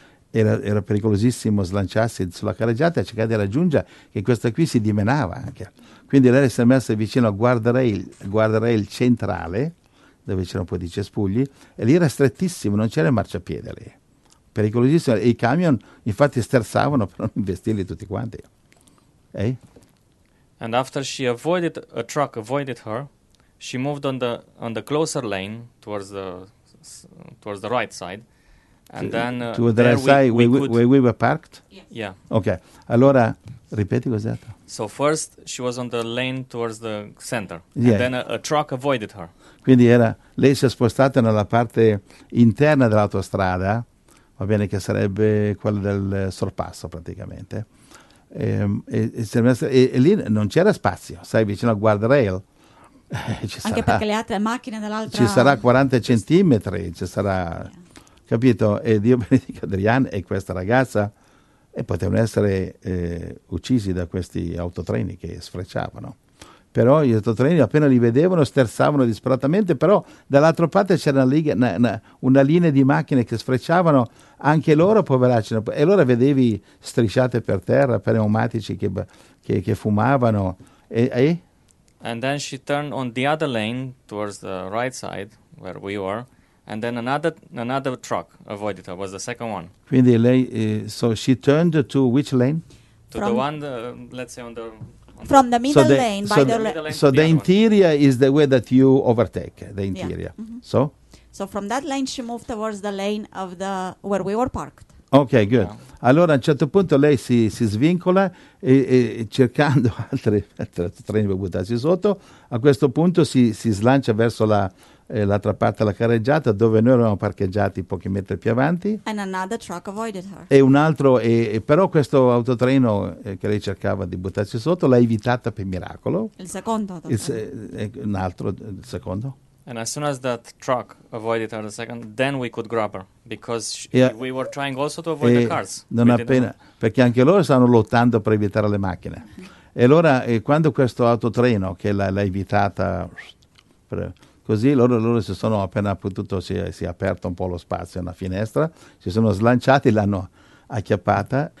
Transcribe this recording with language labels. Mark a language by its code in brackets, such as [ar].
[it] Era pericolosissimo slanciarsi sulla carreggiata e cercare di raggiungere, che questa qui si dimenava anche. Quindi lei si è messa vicino a guardrail centrale, dove c'era un po' di cespugli, e lì era strettissimo, non c'era marciapiede lì. Pericolosissimo, e i camion infatti sterzavano per non investirli tutti quanti. [en] And after she avoided a truck, avoided her, she moved on the closer lane towards the right side. And then where we were parked? Yeah. [it] Okay. Allora, ripeti cos'è? [en] So first she was on the lane towards the center, yeah. And then a truck avoided her. [it] Quindi era, lei si è spostata nella parte interna dell'autostrada, va bene, che sarebbe quella del sorpasso praticamente. E lì non c'era spazio, sai, vicino al guardrail. Anche perché le altre macchine dall'altra... Ci sarà 40 centimetri, ci sarà... Capito? E Dio benedica Adrian e questa ragazza, e potevano essere uccisi da questi autotreni che sfrecciavano. Però gli autotreni, appena li vedevano, sterzavano disperatamente, però dall'altra parte c'era una linea di macchine che sfrecciavano, anche loro, poveracci. E allora vedevi strisciate per terra, pneumatici che fumavano. [en] And then she turned on the other lane, towards the right side, where we were. And then another truck avoided her. Was the second one. [it] Quindi lei, [en] so she turned to which lane? To from the one, let's say, from the middle lane. So the interior is the way that you overtake the interior. Yeah. Mm-hmm. So. So from that lane, she moved towards the lane of the where we were parked. Okay, good. Yeah. [it] Allora a un certo punto lei si svincola e cercando altri treni per buttarsi sotto. A questo punto si slancia verso la l'altra parte della carreggiata, dove noi eravamo parcheggiati pochi metri più avanti. [en] And another truck avoided her. [it] E un altro, però questo autotreno che lei cercava di buttarsi sotto l'ha evitata per miracolo. Il secondo autotreno. Il secondo. [en] And as soon as that truck avoided her, the second, then we could grab her, because we were trying also to avoid the cars. [it] Non appena, perché anche loro stanno lottando per evitare le macchine. Mm-hmm. E allora, quando questo autotreno che l'ha evitata... Così loro si sono appena potuto, si è aperto un po' lo spazio, una finestra, si sono slanciati, l'hanno acchiappata.